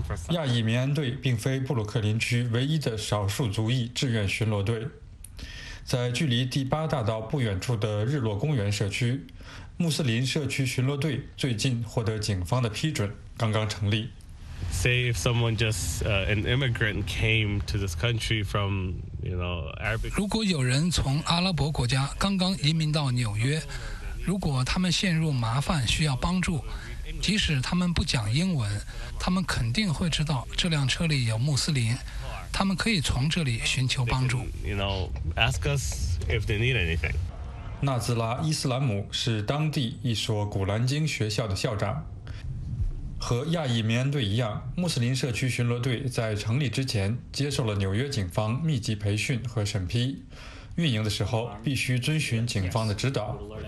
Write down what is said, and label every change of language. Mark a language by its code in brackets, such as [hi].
[zh] 亚裔民安队并非布鲁克林区唯一的少数族裔志愿巡逻队。在距离第八大道不远处的日落公园社区，穆斯林社区巡逻队最近获得警方的批准，刚刚成立。 [en] Say if someone just an immigrant came to this country from, you know, Arabic. [zh] 如果有人从阿拉伯国家刚刚移民到纽约，如果他们陷入麻烦需要帮助，即使他们不讲英文，他们肯定会知道这辆车里有穆斯林，他们可以从这里寻求帮助。 [en] You know, ask us if they need anything. [zh] 纳兹拉·伊斯兰姆是当地一所古兰经学校的校长。和亚裔民安队一样，穆斯林社区巡逻队在成立之前接受了纽约警方密集培训和审批，运营的时候必须遵循警方的指导。